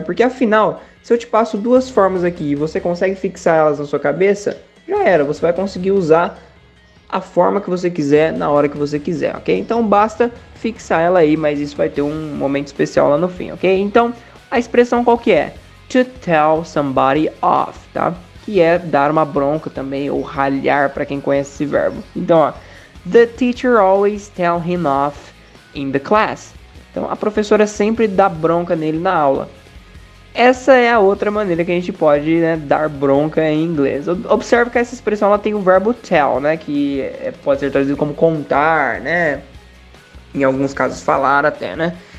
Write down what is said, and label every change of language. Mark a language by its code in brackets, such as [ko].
[pt] Porque afinal, se eu te passo duas formas aqui e você consegue fixar elas na sua cabeça, já era, você vai conseguir usar a forma que você quiser, na hora que você quiser, ok? Então basta fixar ela aí, mas isso vai ter um momento especial lá no fim, ok? Então, a expressão qual que é? To tell somebody off, tá? Que é dar uma bronca também, ou ralhar pra quem conhece esse verbo. Então, ó, [en] the teacher always tell him off in the class. [pt] Então, a professora sempre dá bronca nele na aula. Essa é a outra maneira que a gente pode, né, dar bronca em inglês. Observe que essa expressão ela tem o verbo tell, né, que pode ser traduzido como contar, né, em alguns casos falar até, né.